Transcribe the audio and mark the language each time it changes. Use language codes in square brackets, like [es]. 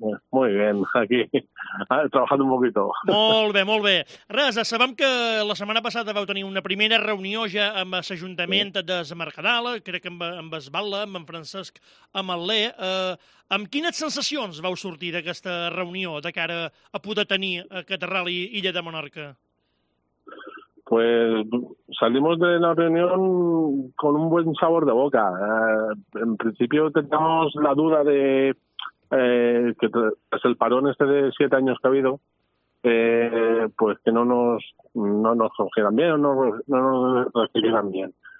[es] Muy bien, aquí, trabajando un poquito. [ca] Molt bé, molt bé. Res, sabem que la setmana passada vau tenir una primera reunió ja amb l'Ajuntament de Mercadal, crec que amb es Balla, amb en Francesc Amalé. Amb quines sensacions vau sortir d'aquesta reunió de cara a poder tenir aquest rally Illa de Menorca? [es] Pues salimos de la reunión con un buen sabor de boca. En principio teníamos la duda de que tras el parón este de 7 años que ha habido, pues que no nos cogieran bien o no nos recibieran bien.